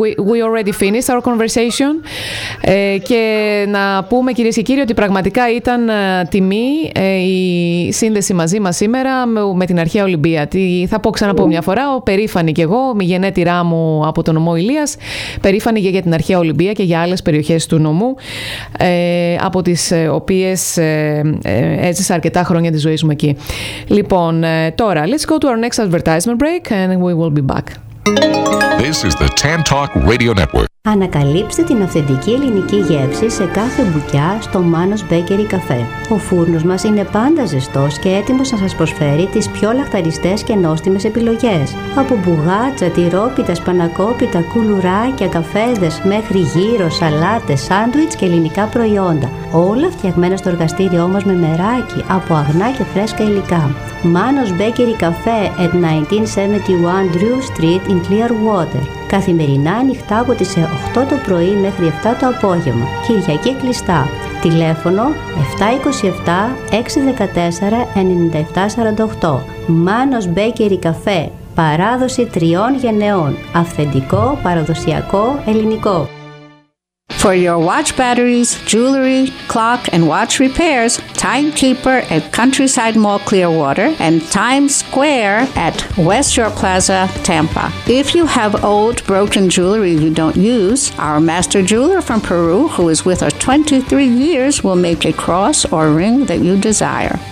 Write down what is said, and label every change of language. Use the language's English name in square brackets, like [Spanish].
[English] We already finished our conversation. [Greek] Και να πούμε, κυρίες και κύριοι, ότι πραγματικά ήταν τιμή η σύνδεση μαζί μας σήμερα με την Αρχαία Ολυμπία. Θα πω ξανά από μια φορά, περήφανη κι εγώ, η γενέτειρά μου από τον νομό Ηλίας, περήφανη και για την Αρχαία Ολυμπία και για άλλες περιοχές του νομού, από τις οποίες έζησα αρκετά χρόνια της ζωής μου εκεί. Λοιπόν, τώρα, [English] let's go to our next advertisement break and we will be back. This is the Tan Talk Radio Network. [Greek] Ανακαλύψτε την αυθεντική ελληνική γεύση σε κάθε μπουκιά στο Manos Bakery Cafe. Ο φούρνος μας είναι πάντα ζεστός και έτοιμος να σας προσφέρει τις πιο λαχταριστές και νόστιμες επιλογές. Από μπουγάτσα, τυρόπιτα, σπανακόπιτα, κουλουράκια, καφέδες, μέχρι γύρω, σαλάτες, σάντουιτς και ελληνικά προϊόντα. Όλα φτιαγμένα στο εργαστήριό μας με μεράκι, από αγνά και φρέσκα υλικά. [English] Manos Bakery Cafe at 1971 Drew Street in Clearwater. [Greek] Καθημερινά ανοιχτά από τις 8 το πρωί μέχρι 7 το απόγευμα. Κυριακή κλειστά. Τηλέφωνο 727 614 9748. Manos Bakery Cafe. Παράδοση τριών γενεών. Αυθεντικό, παραδοσιακό, ελληνικό. [English] For your watch batteries, jewelry, clock and watch repairs, Timekeeper at Countryside Mall Clearwater and Times Square at West Shore Plaza, Tampa. If you have old broken jewelry you don't use, our master jeweler from Peru, who is with us 23 years, will make a cross or ring that you desire.